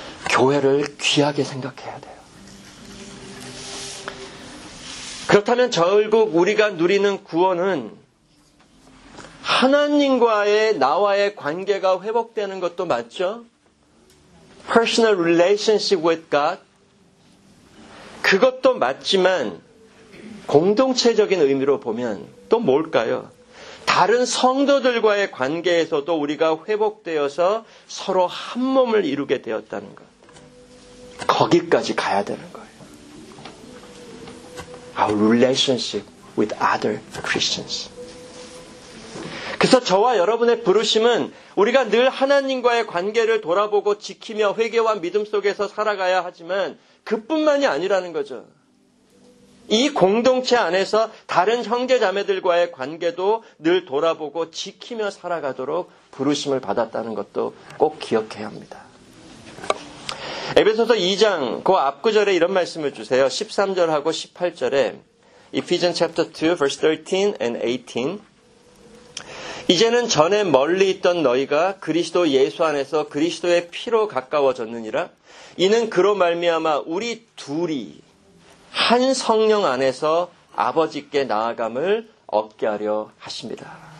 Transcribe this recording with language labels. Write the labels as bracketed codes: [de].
[ko] 교회를 귀하게 생각해야 돼요. 그렇다면 결국 우리가 누리는 구원은 하나님과의 나와의 관계가 회복되는 것도 맞죠? [en] Personal relationship with God. [ko] 그것도 맞지만 공동체적인 의미로 보면 또 뭘까요? 다른 성도들과의 관계에서도 우리가 회복되어서 서로 한 몸을 이루게 되었다는 것. 거기까지 가야 되는 거예요. [en] Our relationship with other Christians. [ko] 그래서 저와 여러분의 부르심은 우리가 늘 하나님과의 관계를 돌아보고 지키며 회개와 믿음 속에서 살아가야 하지만 그뿐만이 아니라는 거죠. 이 공동체 안에서 다른 형제자매들과의 관계도 늘 돌아보고 지키며 살아가도록 부르심을 받았다는 것도 꼭 기억해야 합니다. 에베소서 2장 그 앞구절에 이런 말씀을 주세요. 13절하고 18절에 [en] Ephesians chapter 2 verse 13 and 18. [ko] 이제는 전에 멀리 있던 너희가 그리스도 예수 안에서 그리스도의 피로 가까워졌느니라. 이는 그로 말미암아 우리 둘이 한 성령 안에서 아버지께 나아감을 얻게 하려 하십니다.